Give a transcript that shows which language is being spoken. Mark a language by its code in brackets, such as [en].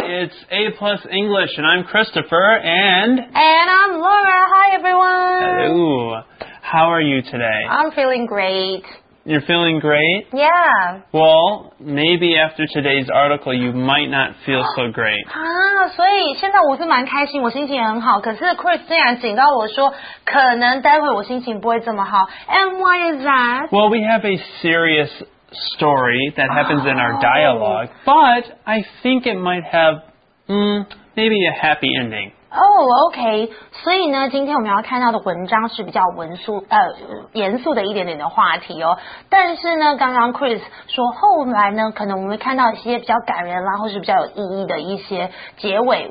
[en] It's A Plus English, and I'm Christopher, and... And I'm Laura. Hi, everyone. Hello. How are you today? I'm feeling great. You're feeling great? Yeah. Well, maybe after today's article, you might not feel so great. [zh] 所以现在我是蛮开心，我心情很好。可是 Chris 竟然警告我说，可能待会我心情不会这么好。 [en] And why is that? Well, we have a serious... story that happens in our dialogue, but I think it might have maybe a happy ending. Oh, okay. [zh] 所以呢，今天我们要看到的文章是比较文书严肃的一点点的话题哦。但是呢，刚刚 Chris 说后来呢，可能我们会看到一些比较感人啦，或是比较有意义的一些结尾。